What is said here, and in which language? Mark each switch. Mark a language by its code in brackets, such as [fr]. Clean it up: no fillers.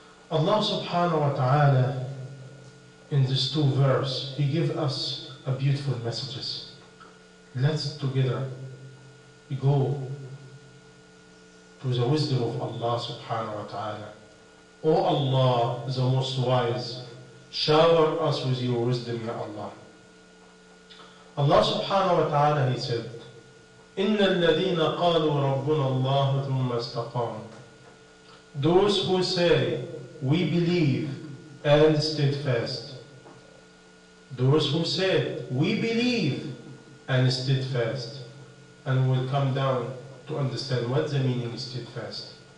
[en] Allah subhanahu wa ta'ala, in these two verses, He gives us a beautiful messages. Let's together go to the wisdom of Allah subhanahu wa ta'ala. O Allah, the most wise, shower us with your wisdom, Ya Allah. [ar] Allah subhanahu wa ta'ala, [en] He said, [ar] إِنَّ الَّذِينَ قَالُوا رَبُّنَ اللَّهُ ثُمَّ اسْتَقَامُ. [en] Those who say, we believe and steadfast. Those who said, we believe and steadfast. And we'll come down to understand what the meaning is steadfast.